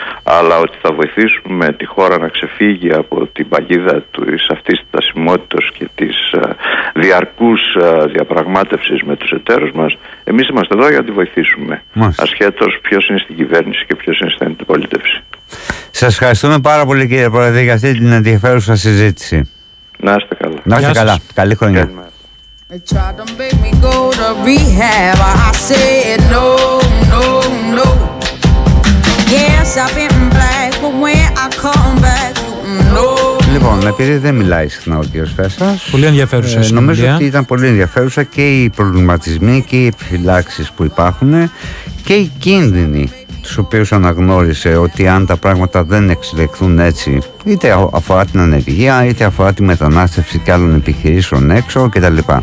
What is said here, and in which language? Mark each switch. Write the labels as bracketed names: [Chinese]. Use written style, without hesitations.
[Greek] Αλλά ότι θα βοηθήσουμε τη χώρα να ξεφύγει από την παγίδα της αυτής της τασιμότητας και της διαρκούς διαπραγμάτευσης με τους εταίρους μας, εμείς είμαστε εδώ για να τη βοηθήσουμε. Ασχέτως ποιος είναι στην κυβέρνηση και ποιος είναι στην αντιπολίτευση. Σας ευχαριστούμε πάρα πολύ, κύριε Πρόεδρε, για αυτή την ενδιαφέρουσα συζήτηση. Να είστε καλά. Να είστε καλά. Καλή χρονιά. [English] They tried to make me go to rehab. I said no, no, no. Yes, I've been black, but when I come back, no. [Greek] Λοιπόν, επειδή δεν μιλάει συχνά ο κ. Φέσας, πολύ ενδιαφέρουσα. Νομίζω ότι ήταν πολύ ενδιαφέρουσα και οι προβληματισμοί και οι επιφυλάξεις που υπάρχουν και οι κίνδυνοι τους οποίους αναγνώρισε ότι αν τα πράγματα δεν εξελιχθούν έτσι, είτε αφορά την ανεργία, είτε αφορά τη μετανάστευση και άλλων επιχειρήσεων έξω κτλ.